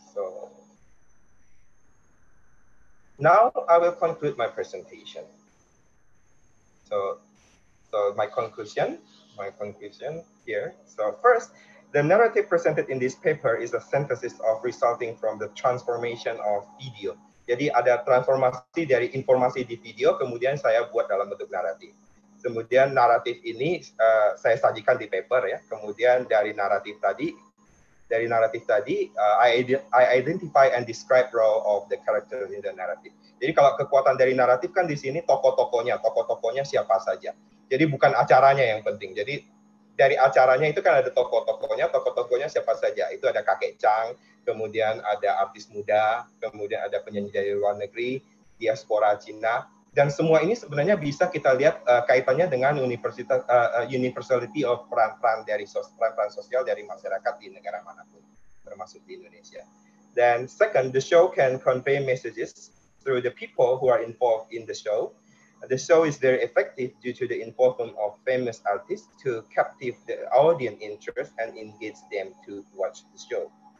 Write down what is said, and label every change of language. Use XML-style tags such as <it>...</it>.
<en>So now I will conclude my presentation. So my conclusion here. So first, the narrative presented in this paper is a synthesis of resulting from the transformation of video.</en> <id>Jadi ada transformasi dari informasi di video, kemudian saya buat dalam bentuk naratif. Kemudian naratif ini saya sajikan di paper ya. Kemudian dari naratif tadi,</id> <en>I identify and describe role of the character in the narrative.</en> <id>Jadi kalau kekuatan dari naratif kan di sini tokoh-tokohnya siapa saja. Jadi bukan acaranya yang penting. Jadi dari acaranya itu kan ada tokoh-tokohnya siapa saja. Itu ada Kakek Chang, kemudian ada artis muda, kemudian ada penyanyi dari luar negeri, diaspora Cina. Dan semua ini sebenarnya bisa kita lihat kaitannya dengan universality of peran-peran sosial dari masyarakat di negara manapun, termasuk di Indonesia. Dan</id> <en>second, the show can convey messages through the people who are involved in the show. The show is very effective due to the involvement of famous artists to captive the audience interest and engage them to watch the show.</en>